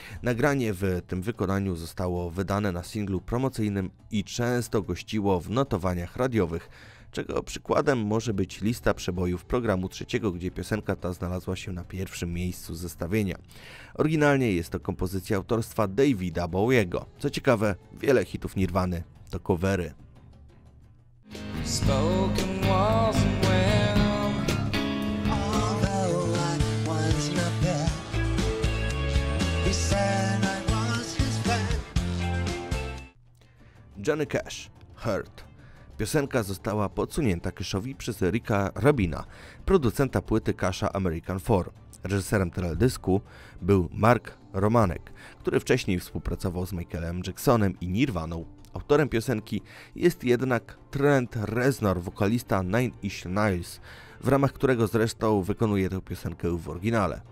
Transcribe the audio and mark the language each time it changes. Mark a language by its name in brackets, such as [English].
[Polish] Nagranie w tym wykonaniu zostało wydane na singlu promocyjnym i często gościło w notowaniach radiowych, czego przykładem może być lista przebojów programu trzeciego, gdzie piosenka ta znalazła się na pierwszym miejscu zestawienia. Oryginalnie jest to kompozycja autorstwa Davida Bowiego. Co ciekawe, wiele hitów Nirvany to covery. [English] Spoken walls and well, although I was not there, he said I was his friend. Johnny Cash, Hurt. [Polish] Piosenka została podsunięta Cashowi przez Ricka Rubina, producenta płyty Casha American 4. Reżyserem teledysku był Mark Romanek, który wcześniej współpracował z Michaelem Jacksonem i Nirvaną. Autorem piosenki jest jednak Trent Reznor, wokalista Nine Inch Nails, w ramach którego zresztą wykonuje tę piosenkę w oryginale.